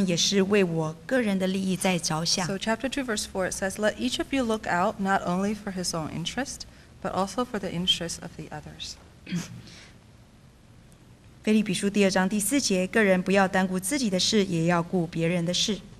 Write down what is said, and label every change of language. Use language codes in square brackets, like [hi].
[zh] 那时候这章经节，我就想起了这个经节，那我觉得他们也是为我个人的利益在着想。 [en] So chapter 2 verse 4 it says, let each of you look out not only for his own interest, but also for the interest of the others. [zh] 腓立比书第2章第4节，个人不要单顾自己的事，也要顾别人的事。